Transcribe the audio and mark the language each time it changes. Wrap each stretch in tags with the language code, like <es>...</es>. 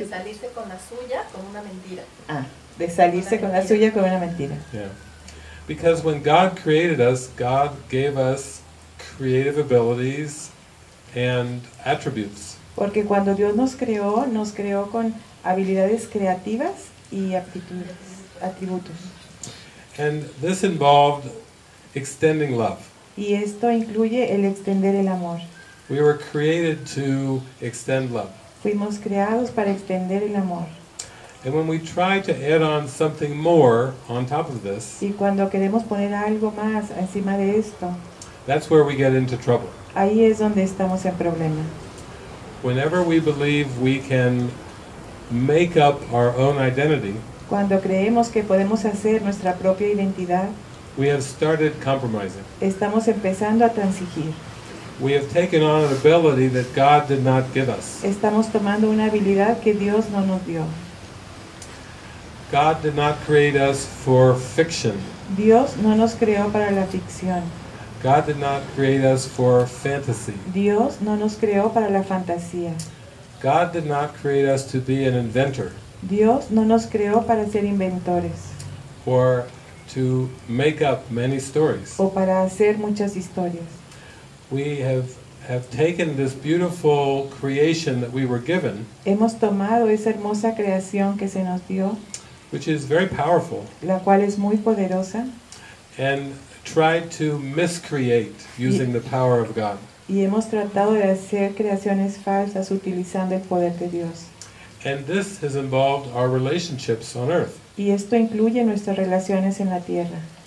<es>De salirse con la suya con una mentira. De salirse con la suya con una mentira.</es> <en>Yeah. Because when God created us, God gave us creative abilities and attributes.</en> <es>Porque cuando Dios nos creó con habilidades creativas y aptitudes, atributos.</es> <en>And this involved extending love.</en> <es>Y esto incluye el extender el amor.</es> <en>We were created to extend love.</en> <es>Fuimos creados para extender el amor.</es> <en>And when we try to add on something more on top of this,</en> <es>y cuando queremos poner algo más encima de esto,</es> <en>that's where we get into trouble.</en> <es>Ahí es donde estamos en problema.</es> <en>Whenever we believe we can make up our own identity,</en> <es>cuando creemos que podemos hacer nuestra propia identidad,</es> <en>we have started compromising.</en> <es>Estamos empezando a transigir.</es> <en>We have taken on an ability that God did not give us.</en> <es>Estamos tomando una habilidad que Dios no nos dio.</es> <en>God did not create us for fiction.</en> <es>Dios no nos creó para la ficción.</es> <en>God did not create us for fantasy.</en> <es>Dios no nos creó para la fantasía.</es> <en>God did not create us to be an inventor.</en> <es>Dios no nos creó para ser inventores.</es> <en>Or to make up many stories.</en> <es>O para hacer muchas historias.</es> <en>We have taken this beautiful creation that we were given.</en> <es>Hemos tomado esa hermosa creación que se nos dio.</es> <en>Which is very powerful.</en> <es>La cual es muy poderosa.</es> <en>And tried to miscreate using the power of God.</en> <es>Y hemos tratado de hacer creaciones falsas utilizando el poder de Dios.</es> <en>And this has involved our relationships on earth.</en> <es>Y esto incluye nuestras relaciones en la tierra.</es>